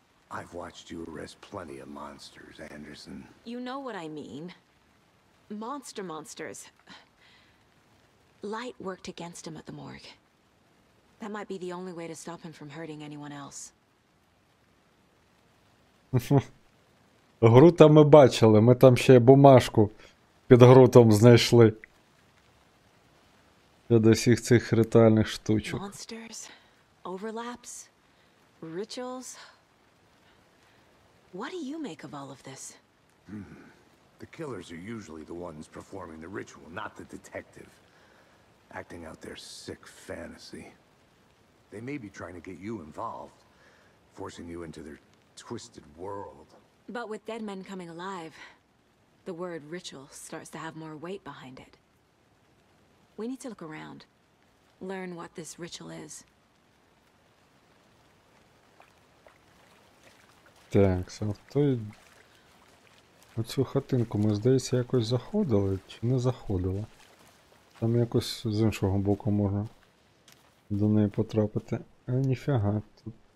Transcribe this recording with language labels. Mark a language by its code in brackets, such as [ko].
[en] I've watched you arrest plenty of monsters, Anderson. You know what I mean. Monsters. Light worked against him at the morgue. That might be the only way to stop him from hurting anyone else. [uk] Грута ми бачили, ми там ще бумажку під грутом знайшли. Для усіх цих ритуальних штучок. [en] Monsters, overlaps, rituals. What do you make of all of this? The killers are usually the ones performing the ritual, not the detective. Acting out their sick fantasy. They may be trying to get you involved, forcing you into their twisted world. But with dead men coming alive, the word ritual starts to have more weight behind it. We need to look around, learn what this ritual is. [uk] Так, оцю хатинку ми, здається, якось заходили чи не заходили. Там якось з іншого боку можна до неї потрапити. А ніфіга тут.